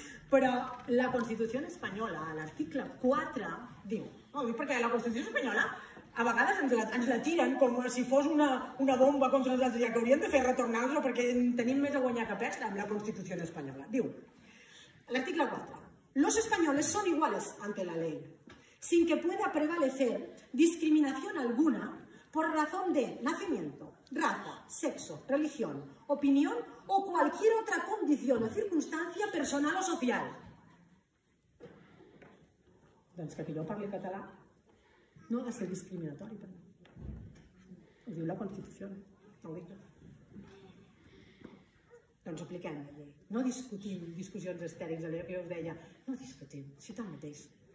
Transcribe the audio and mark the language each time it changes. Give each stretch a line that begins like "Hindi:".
Catalan: Però la Constitució espanyola, a l'article 4, diu... Oh, perquè la Constitució espanyola a vegades ens la tiren com si fos una bomba contra els altres, que hauríem de fer retornar-la perquè tenim més a guanyar que a perdre amb la Constitució espanyola. Diu, l'article 4,
Spanish: los españoles son iguales ante la ley, sin que pueda prevalecer discriminación alguna por razón de nacimiento, raza, sexo, religión, opinión o cualquier otra condición o circunstancia personal o social.
Catalan: Doncs que jo parli català no ha de ser discriminatori, però ho diu la Constitució, no ho dic. Doncs apliquem la llei. No discutim discussions estèrils, allò que jo us deia, no discutim, si tant mateix.